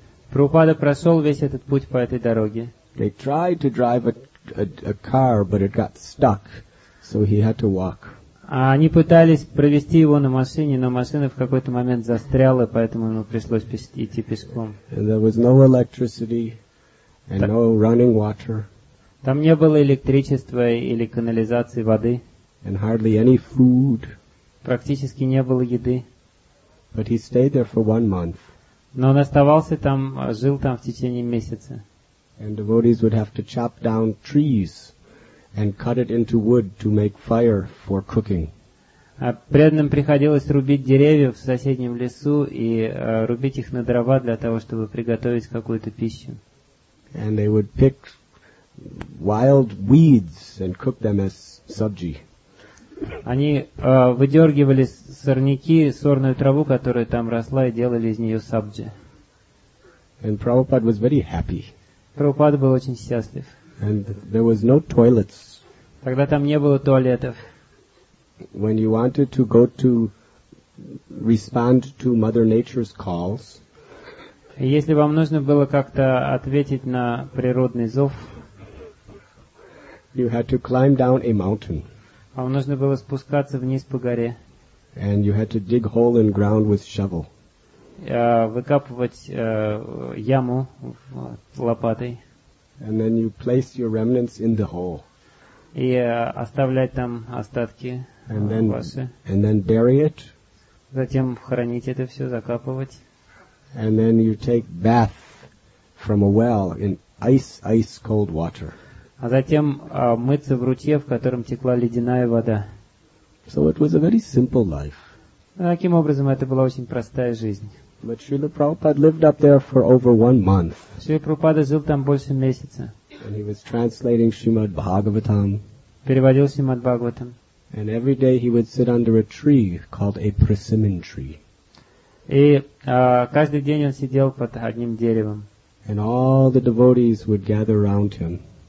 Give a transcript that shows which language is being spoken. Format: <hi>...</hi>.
<ru>Прабхупада прошел весь этот путь по этой дороге.</ru> <en>They tried to drive a car, but it got stuck, so he had to walk.</en> <ru>Они пытались провести его на машине, но машина в какой-то момент застряла, поэтому ему пришлось идти пешком.</ru> <en>And there was no electricity and no running water.</en> <ru>Там не было электричества или канализации воды.</ru> <en>And hardly any food.</en> <ru>Практически не было еды.</ru> <en>But he stayed there for 1 month.</en> <ru>Но он оставался там, жил там в течение месяца.</ru> <en>And devotees would have to chop down trees and cut it into wood to make fire for cooking.</en> <ru>А преданным приходилось рубить деревья в соседнем лесу и рубить их на дрова для того, чтобы приготовить какую-то пищу.</ru> <en>And they would pick wild weeds and cook them as subji.</en> <ru>Они выдергивали сорняки, сорную траву, которая там росла, и делали из нее сабджи.</ru> <en>And Prabhupada was very happy.</en> <ru>Прабхупада был очень счастлив.</ru> <en>And there was no toilets.</en> <ru>Тогда там не было туалетов.</ru> <en>When you wanted to go to respond to Mother Nature's calls,</en> <ru>если вам нужно было как-то ответить на природный зов,</ru> <en>you had to climb down a mountain.</en> <ru>Вам нужно было спускаться вниз по горе.</ru> <en>And you had to dig hole in ground with shovel.</en> <ru>Выкапывать яму лопатой.</ru> <en>And then you place your remnants in the hole.</en> <ru>И оставлять там остатки ваши.</ru> <en>And then bury it.</en> <ru>Затем хоронить это все, закапывать.</ru> <en>And then you take bath from a well in ice cold water.</en> <ru>А затем мыться в ручье, в котором текла ледяная вода.</ru> <en>So it was a very simple life.</en> <ru>Таким образом, это была очень простая жизнь.</ru> <en>But Srila Prabhupada lived up there for over 1 month.</en> <ru>Srila Prabhupada жил там больше месяца.</ru> <en>And he was translating Srimad Bhagavatam.</en> <ru>Переводил Srimad Bhagavatam.</ru> <en>And every day he would sit under a tree called a persimmon tree.</en> <ru>И каждый день он сидел под одним деревом.</ru> <en>And all the devotees would gather around him.</en>